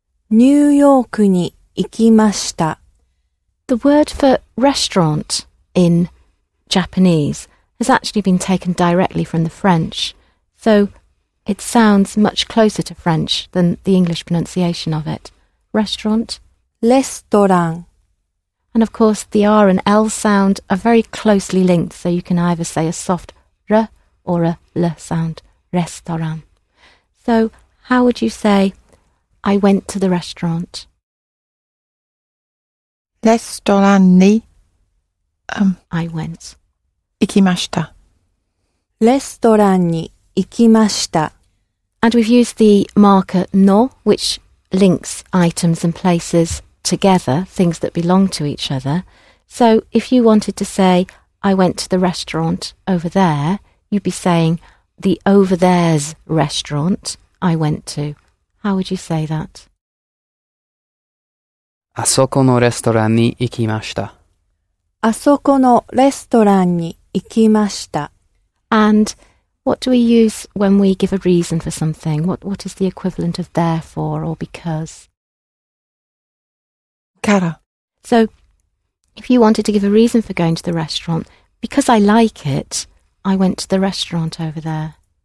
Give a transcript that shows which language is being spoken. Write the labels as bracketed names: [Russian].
[Japanese] New Yorkに行きました. [English] The word for restaurant in Japanese has actually been taken directly from the French, so it sounds much closer to French than the English pronunciation of it. Restaurant. Restaurant. And of course, the R and L sound are very closely linked, so you can either say a soft R or a L sound. Restaurant. So, how would you say, I went to the restaurant? [Japanese] レストランに [English] I went. [Japanese] 行きました. レストランに行きました. [English] And we've used the marker の, which links items and places together, things that belong to each other. So, if you wanted to say, I went to the restaurant over there, you'd be saying, the over there's restaurant. I went to. How would you say that? [Japanese] あそこのレストランに行きました. あそこのレストランに行きました. [English] And what do we use when we give a reason for something? What is the equivalent of therefore or because? [Japanese] から. [English] So, if you wanted to give a reason for going to the restaurant, because I like it, I went to the restaurant over there.